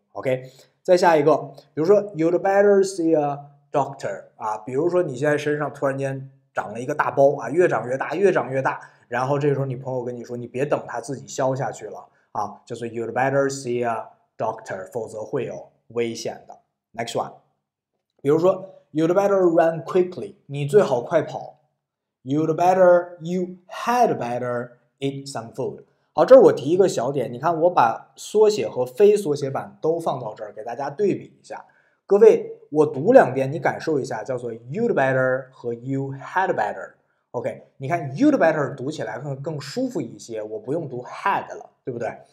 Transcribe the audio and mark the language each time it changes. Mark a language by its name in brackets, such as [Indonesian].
[Chinese] OK，再下一个，比如说 [English] you'd better see a doctor [Chinese] 啊，比如说你现在身上突然间长了一个大包啊，越长越大，越长越大，然后这时候你朋友跟你说，你别等它自己消下去了啊，就是 you'd better see a doctor，否则会有危险的。 [English] Next one， [Chinese] 比如说 [English] you'd better run quickly， [Chinese] 你最好快跑。 [English] You'd better you had better eat some food。 [Chinese] 好，这儿我提一个小点，你看我把缩写和非缩写版都放到这儿，给大家对比一下。各位，我读两遍，你感受一下，叫做 you'd better 和 you had better。 OK，你看 you'd better 读起来更舒服一些，我不用读 had 了，对不对？